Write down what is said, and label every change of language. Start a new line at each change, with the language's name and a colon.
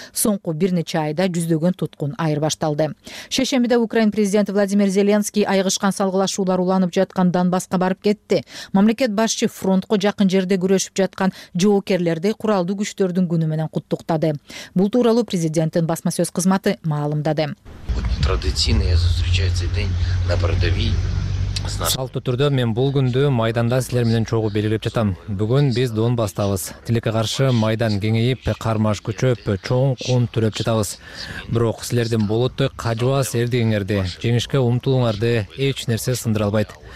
Kyrgyz: Соңку бир нече айда жүздөгөн туткун айырбашталды. Шейшембиде Украин президенти Владимир Зеленский айыгышкан салгылашуулар уланып жаткан Донбасска барып кетти. Мамлекет башчы фронтко жакын жерде күрөшүп жаткан жоокерлерди куралдуу күчтөрдүн күнү менен куттуктады. Бул тууралуу президенттин басма сөз кызматы маалымдады.
Russian: Традиционно я встречаю этот день на передовой
Kyrgyz: Салтты түрдө мен бул күндү майданда силер менен чогуу белгилеп жатам. Бүгүн биз дон бастабыз. Тилекке каршы майдан кеңейип, кармаш күчөп, чоң кун түрөп жатабыз. Бирок силердин болотту кажыбас эрдегиңерди, жеңишке умтулуңарды эч нерсе сындыра албайт.